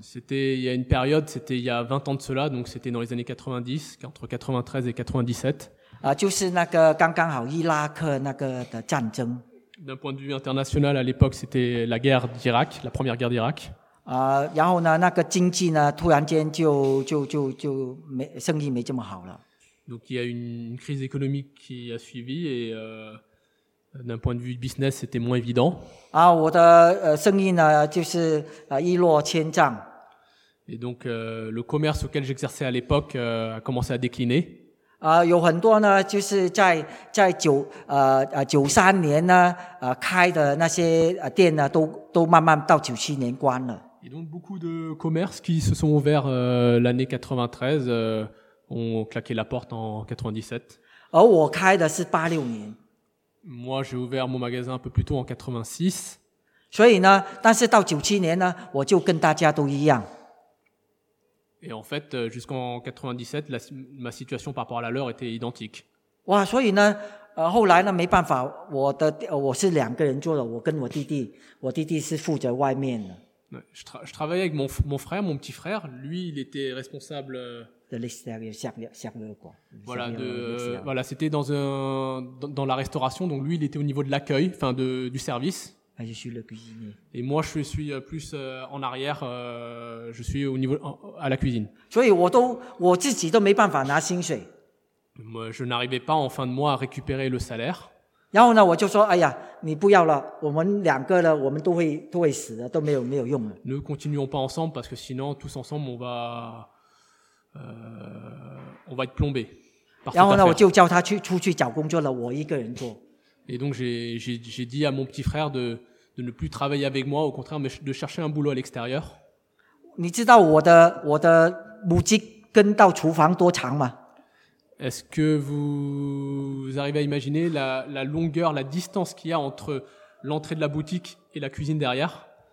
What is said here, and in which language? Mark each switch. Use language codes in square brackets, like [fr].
[fr] C'était il y a une période, c'était il y a 20 ans de cela, donc c'était dans les années 90, entre 93 et 97. [zh] 就是那个刚刚好伊拉克那个的战争。 [fr] D'un point de vue international, à l'époque, c'était la guerre d'Irak, la première guerre d'Irak. [zh] 然后呢，那个经济呢，突然间就没生意没这么好了。 [fr] Donc il y a une crise économique qui a suivi et d'un point de vue business, c'était moins évident. [zh] 我的生意呢，就是一落千丈。 [fr] Et donc, le commerce auquel j'exerçais à l'époque, a commencé à décliner. [zh] 有很多呢，就是在93年呢，开的那些店呢，都慢慢到九七年关了。 [fr] Et donc, beaucoup de commerces qui se sont ouverts l'année 93, ont claqué la porte en 97. [zh] 而我开的是86年。 [fr] Moi, j'ai ouvert mon magasin un peu plus tôt en 86. [zh] 所以呢，但是到97年呢，我就跟大家都一样。 [fr] Et en fait, jusqu'en 97, ma situation par rapport à la leur était identique. [zh] 哇，所以呢，后来呢，没办法，我是两个人做的，我跟我弟弟，我弟弟是负责外面的。 [fr] Je travaillais avec mon frère, mon petit frère. Lui, il était responsable. De l'extérieur, serveur quoi. Voilà, voilà, c'était dans la restauration. Donc lui, il était au niveau de l'accueil, enfin du service. Ah, je suis le cuisinier. Et moi, je suis plus en arrière. Je suis au niveau à la cuisine. [zh] 所以我自己都没办法拿薪水。 [fr] Moi, je n'arrivais pas en fin de mois à récupérer le salaire. [zh] 然后呢，我就说：“哎呀，你不要了，我们两个呢，我们都会死的，都没有用了。” [fr] Ne continuons pas ensemble parce que sinon tous ensemble on va être plombé. [zh] 然后呢，我就叫他出去找工作了，我一个人做。 [fr] Et donc j'ai dit à mon petit frère de ne plus travailler avec moi, au contraire de chercher un boulot à l'extérieur. [zh] 你知道我的母鸡跟到厨房多长吗？ [fr] Est-ce que vous arrivez à imaginer la longueur, la distance qu'il y a entre l'entrée de la boutique et la cuisine derrière?